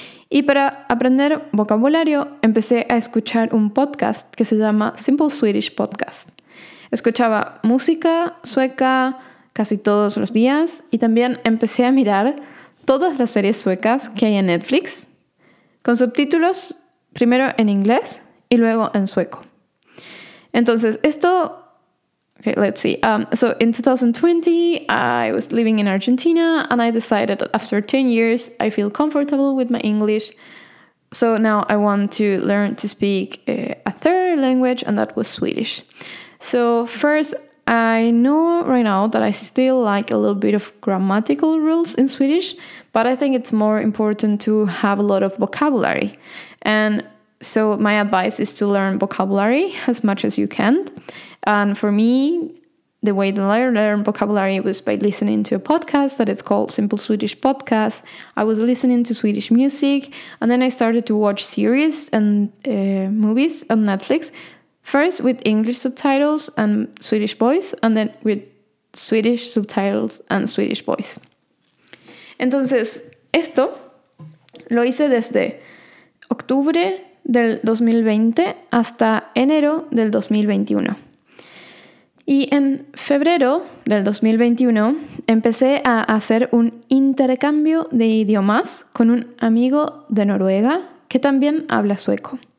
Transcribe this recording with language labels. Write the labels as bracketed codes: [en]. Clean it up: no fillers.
[es] Y para aprender vocabulario, empecé a escuchar un podcast que se llama Simple Swedish Podcast. Escuchaba música sueca casi todos los días y también empecé a mirar todas las series suecas que hay en Netflix, con subtítulos primero en inglés y luego en sueco. Entonces, esto... [en] Okay, let's see. So in 2020, I was living in Argentina and I decided that after 10 years, I feel comfortable with my English. So now I want to learn to speak a third language, and that was Swedish. So first, I know right now that I still like a little bit of grammatical rules in Swedish, but I think it's more important to have a lot of vocabulary. And so my advice is to learn vocabulary as much as you can. And for me, the way that I learned vocabulary was by listening to a podcast that is called Simple Swedish Podcast. I was listening to Swedish music, and then I started to watch series and movies on Netflix. First with English subtitles and Swedish voice, and then with Swedish subtitles and Swedish voice. [es] Entonces, esto lo hice desde octubre del 2020 hasta enero del 2021. Y en febrero del 2021 empecé a hacer un intercambio de idiomas con un amigo de Noruega que también habla sueco.